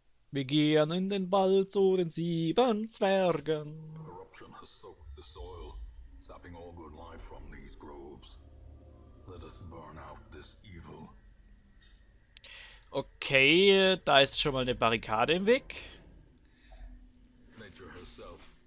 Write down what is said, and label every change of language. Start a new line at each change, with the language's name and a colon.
German: Wir gehen in den Wald zu den 7 Zwergen.
English: Corruption has soaked the soil, sapping all good life from these groves. Let us burn out this evil.
German: Okay, da ist schon mal eine Barrikade im Weg.
English: Nature herself.